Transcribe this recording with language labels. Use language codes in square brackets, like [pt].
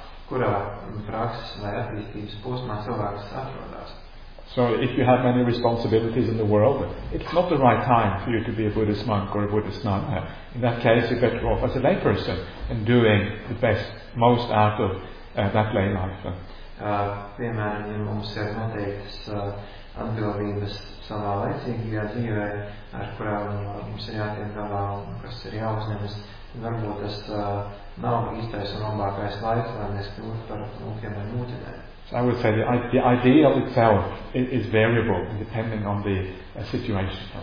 [lv] kurā prakses vai attīstības posmā cilvēks atrodas. [en] So if you have many responsibilities in the world, it's not the right time for you to be a Buddhist monk or a Buddhist nun. In that case, you better off as a lay person and doing the best, most out of that lay life. [lv] Piemēram, ja mums ir noteiktas atbildības savā laicīgajā dzīvē, ar kurām mums ir jātiek galā un kas ir jāuzņemas, varbūt tas nav īstais un labākais laiks, lai mēs kļūtu par mūķiem vai mūķinēm. [en] So I would say the ideal itself is variable depending on the situation.